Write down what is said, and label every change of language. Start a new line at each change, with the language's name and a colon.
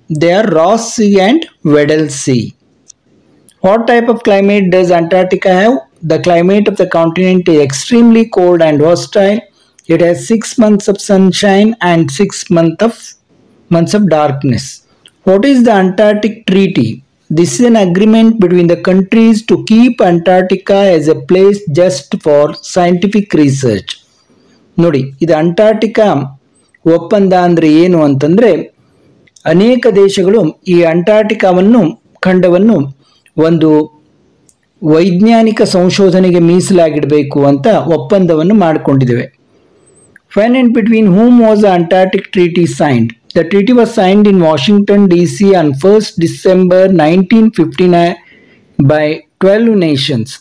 English: They are Ross sea and Weddell sea. What type of climate does Antarctica have? The climate of the continent is extremely cold and hostile. It has 6 months of sunshine and 6 months of darkness. What is the Antarctic treaty? This is an agreement between the countries to keep Antarctica as a place just for scientific research.
Kannada: ನೋಡಿ, ಇದು ಅಂಟಾರ್ಟಿಕಾ ಒಪ್ಪಂದ ಅಂದರೆ ಏನು ಅಂತಂದರೆ, ಅನೇಕ ದೇಶಗಳು ಈ ಅಂಟಾರ್ಟಿಕಾವನ್ನು, ಖಂಡವನ್ನು ಒಂದು ವೈಜ್ಞಾನಿಕ ಸಂಶೋಧನೆಗೆ ಮೀಸಲಾಗಿಡಬೇಕು ಅಂತ ಒಪ್ಪಂದವನ್ನು ಮಾಡಿಕೊಂಡಿದ್ದೇವೆ.
English: When and between whom was the Antarctic treaty signed? The treaty was signed in Washington, D.C. on 1st December 1959 by 12 nations.